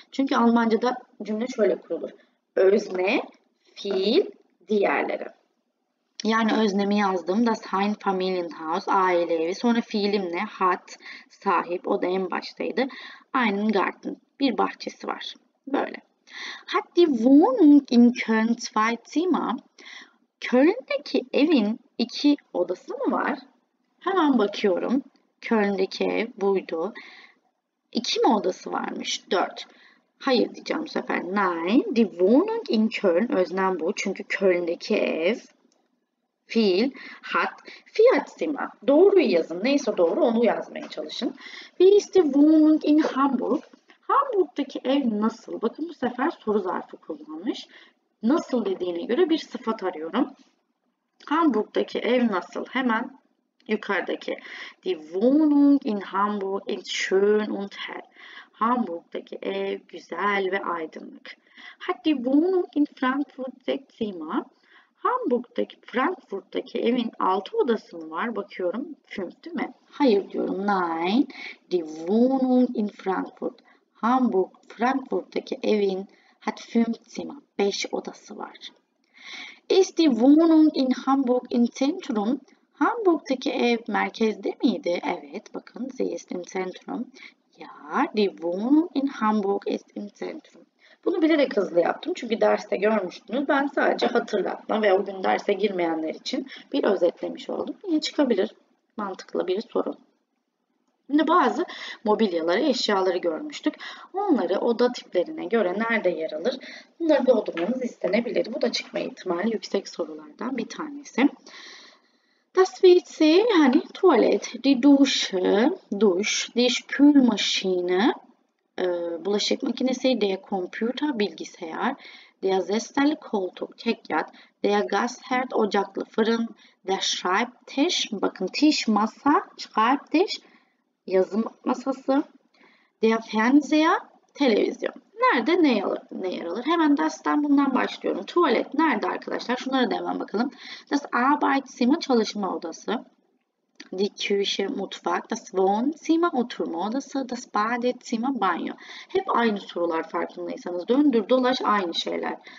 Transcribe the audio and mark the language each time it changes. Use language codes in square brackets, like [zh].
[tr] Çünkü Almanca'da cümle şöyle kurulur. Özne, fiil, diğerleri. Yani öznemi yazdım. [de] Das Einfamilienhaus, [tr] aile evi. Sonra fiilim ne? Hat, sahip. O da en baştaydı. [de] Einen Garten, [tr] bir bahçesi var. Böyle. [de] Hat die Wohnung in Köln zwei Zimmer? [tr] Köln'deki evin iki odası mı var? Hemen bakıyorum. Köln'deki ev buydu. İki mi odası varmış? Dört. Hayır diyeceğim bu sefer. [de] Nein, die Wohnung in Köln. [tr] Öznem bu. Çünkü Köln'deki ev. Fiil, hat, Fiat Zimmer. Doğruyu yazın. Neyse doğru onu yazmaya çalışın. [de] Wie ist die Wohnung in Hamburg? [tr] Hamburg'daki ev nasıl? Bakın bu sefer soru zarfı kullanmış. Nasıl dediğine göre bir sıfat arıyorum. Hamburg'daki ev nasıl? Hemen yukarıdaki. [de] Die Wohnung in Hamburg ist schön und hell. [tr] Hamburg'daki ev güzel ve aydınlık. [de] Hat die Wohnung in Frankfurt sechs Zimmer? [tr] Hamburg'daki, Frankfurt'taki evin 6 odası mı var? Bakıyorum. Fünf değil mi? Hayır diyorum. Nein. [de] Die Wohnung in Frankfurt. Hamburg, [tr] Frankfurt'taki evin [de] hat fünf Zimmer. [tr] 5 odası var. [de] Ist die Wohnung in Hamburg im Zentrum? [tr] Hamburg'daki ev merkezde miydi? Evet, bakın. [de] Sie ist im Zentrum. Ja, die Wohnung in Hamburg ist im Zentrum. [tr] Bunu bilerek hızlı yaptım. Çünkü derste görmüştünüz. Ben sadece hatırlatma ve o gün derse girmeyenler için bir özetlemiş oldum. Yine çıkabilir. Mantıklı bir soru. Şimdi bazı mobilyaları, eşyaları görmüştük. Onları oda tiplerine göre nerede yer alır? Bunları doldurmanız istenebilir. Bu da çıkma ihtimali yüksek sorulardan bir tanesi. [de] Das WC yani tuvalet, die Dusche, duş, die Spülmaschine, bulaşık makinesi, der Computer, bilgisayar, der Sessel, koltuk, tek yat, der Gasherd, [tr] ocaklı fırın, [de] der Schreibtisch, bakın tisch masa, Schreibtisch, [tr] yazım masası. [de] Der Fernseher, televizyon. [tr] Nerede ne alır, ne yer alır? Hemen dersten bundan başlıyorum. Tuvalet nerede arkadaşlar? Şunlara devam bakalım. [de] Das Arbeitszimmer, [tr] çalışma odası. [de] Die Küche, mutfak. Das Wohnzimmer, [tr] oturma odası. [de] Das Badezimmer, banyo. [tr] Hep aynı sorular farkındaysanız. Döndür dolaş aynı şeyler.